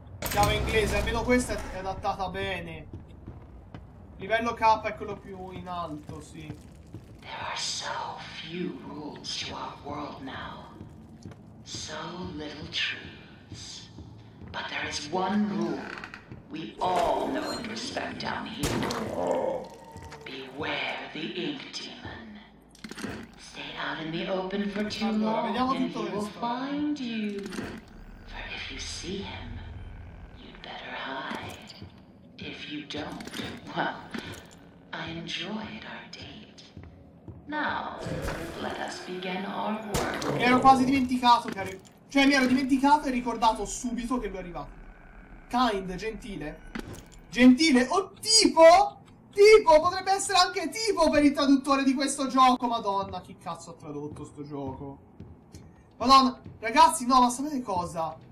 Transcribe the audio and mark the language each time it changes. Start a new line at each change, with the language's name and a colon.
Italian: Chiave inglese, almeno questa è adattata bene. Livello K è quello più in alto, sì.
English: There are so few rules to our world now. So little truths. But there is one rule we all know and respect down here. Beware the ink demon. Stay out in the open for too long and he will find you. For if you see him, you'd better hide. If you don't, well, I enjoyed our date. Now, let us begin our work.
Italian: Mi ero quasi dimenticato che cioè, mi ero dimenticato e ricordato subito che lui arriva. Kind, gentile. Gentile, o tipo? Tipo, potrebbe essere anche tipo per il traduttore di questo gioco. Madonna, chi cazzo ha tradotto sto gioco? Madonna, ragazzi, no, ma sapete cosa?